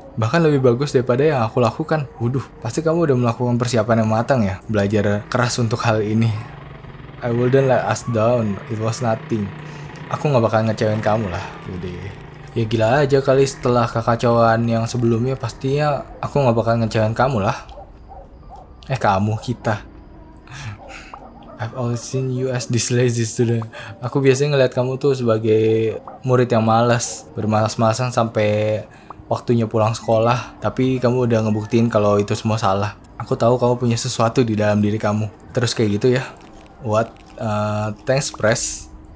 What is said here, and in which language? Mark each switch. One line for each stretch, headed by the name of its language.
Indonesian: Bahkan lebih bagus daripada yang aku lakukan. Waduh, pasti kamu udah melakukan persiapan yang matang ya. Belajar keras untuk hal ini.
English: I wouldn't let us down, it was nothing.
Indonesian: Aku gak bakal ngecewain kamu lah. Jadi ya gila aja kali setelah kekacauan yang sebelumnya. Pastinya aku gak bakal ngecewain kamu lah. Kamu, kita.
English: I've always seen you as this lazy student.
Indonesian: Aku biasanya ngeliat kamu tuh sebagai murid yang malas, bermalas-malasan sampai waktunya pulang sekolah. Tapi kamu udah ngebuktiin kalau itu semua salah. Aku tahu kamu punya sesuatu di dalam diri kamu. Terus kayak gitu ya.
English: What? Thanks, Pres.